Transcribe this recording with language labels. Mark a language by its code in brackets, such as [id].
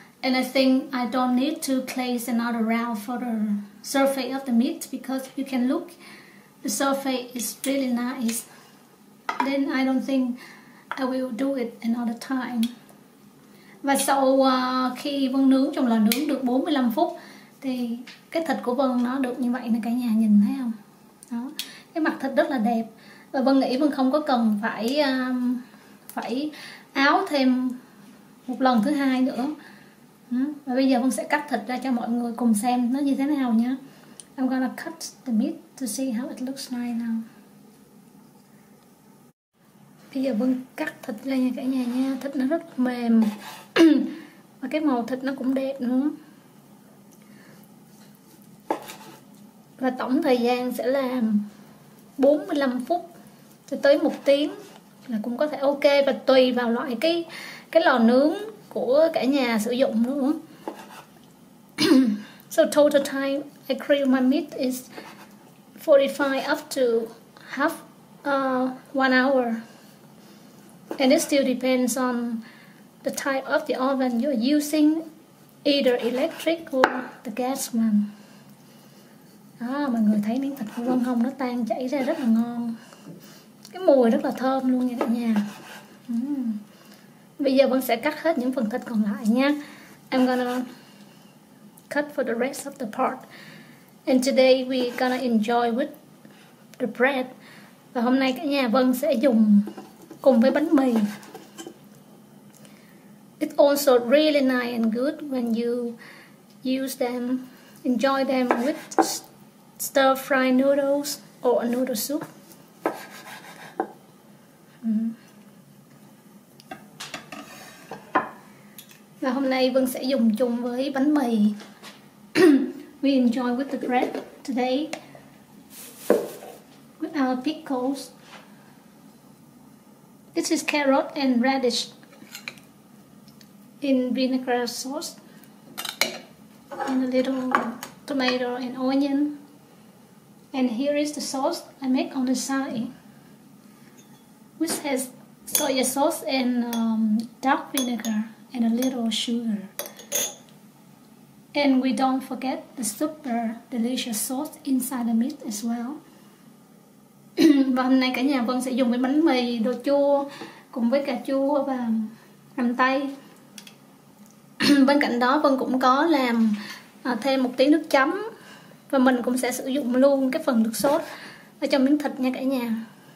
[en] And I think I don't need to place another round for the surface of the meat because you can look, the surface is really nice. Then I don't think I will do it another time. [vi] Và sau khi Vân nướng trong lò nướng được 45 phút thì cái thịt của Vân nó được như vậy nè cả nhà, nhìn thấy không? Đó. Cái mặt thịt rất là đẹp. Và Vân nghĩ Vân không có cần phải phải áo thêm một lần thứ hai nữa. Và bây giờ Vân sẽ cắt thịt ra cho mọi người cùng xem nó như thế nào nhá. [en] I'm gonna cut the meat to see how it looks nice now. [vi] Bây giờ Vân cắt thịt ra nha cả nhà nha, thịt nó rất mềm và cái màu thịt nó cũng đẹp nữa. Và tổng thời gian sẽ là 45 phút cho tới 1 tiếng là cũng có thể ok, và tùy vào loại cái lò nướng của cả nhà sử dụng nữa. [en] So total time I cream my meat is 45 up to half 1 hour. And it still depends on the type of the oven you're using, either electric or the gas one. [vi] Đó, mọi người thấy miếng thịt của Vân không? Nó tan chảy ra rất là ngon. Cái mùi rất là thơm luôn nha cả nhà. Bây giờ Vân sẽ cắt hết những phần thịt còn lại nha. [en] I'm gonna cut for the rest of the part. And today we gonna enjoy with the bread. [vi] Và hôm nay cả nhà Vân sẽ dùng cùng với bánh mì. [en] It's also really nice and good when you use them, enjoy them with stir-fried noodles or a noodle soup. [vi] Và hôm nay Vân sẽ dùng chung với bánh mì. [en] We enjoy with the bread today with our pickles. This is carrot and radish in vinegar sauce and a little tomato and onion. And here is the sauce I make on the side, which has soy sauce and dark vinegar and a little sugar. And we don't forget the super delicious sauce inside the meat as well. [vi] Và hôm nay cả nhà Vân sẽ dùng cái bánh mì đồ chua cùng với cà chua và hành tây. Bên cạnh đó Vân cũng có làm thêm một tí nước chấm. Và mình cũng sẽ sử dụng luôn cái phần nước sốt ở trong miếng thịt nha cả nhà.